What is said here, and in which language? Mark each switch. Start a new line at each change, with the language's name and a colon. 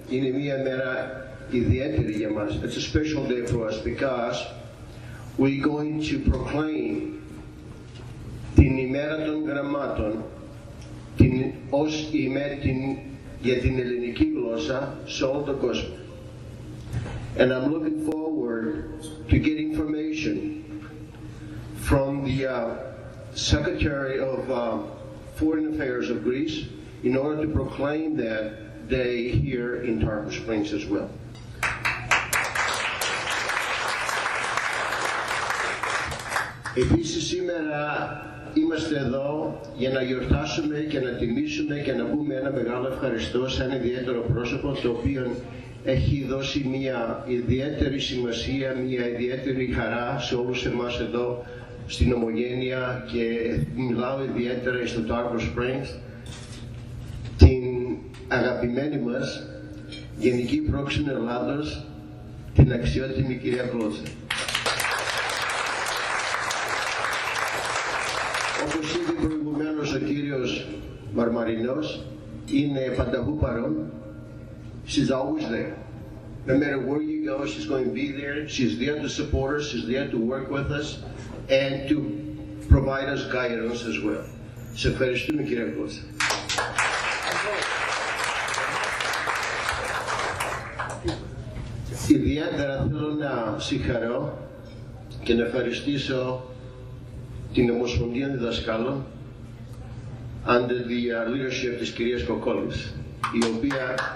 Greek: Είναι μια μέρα ιδιαίτερη για μας.
English: It's a special day for us because we're going to proclaim
Greek: την ημέρα των γραμμάτων ως ημέρα για την ελληνική γλώσσα σε όλο τον κόσμο.
English: And I'm looking forward to get information from the Secretary of Foreign Affairs of Greece in order to proclaim that day here in Tarpon Springs as well.
Greek: Επίσης σήμερα είμαστε εδώ για να γιορτάσουμε και να τιμήσουμε και να πούμε ένα μεγάλο ευχαριστώ σε ένα ιδιαίτερο πρόσωπο το οποίο έχει δώσει μια ιδιαίτερη σημασία, μια ιδιαίτερη χαρά σε όλους εμάς εδώ στην Ομογένεια και μιλάω ιδιαίτερα στο Tarpon Springs, την αγαπημένη μας Γενική Πρόξενη Ελλάδος, την αξιότιμη κυρία Κλότσα. Όπως είπε προηγουμένως ο κύριος Μαρμαρινός, είναι πανταχού παρόν.
English: She's always there. No matter where you go, she's going to be there. She's there to support us. She's there to work with us and to provide us guidance as well.
Greek: Σε ευχαριστούμε κύριε Κλότσα. Ιδιαίτερα θέλω να συγχαρώ και να ευχαριστήσω την Ομοσπονδία Διδασκάλων
English: under the leadership
Greek: της κυρίας Κοκόλης, η οποία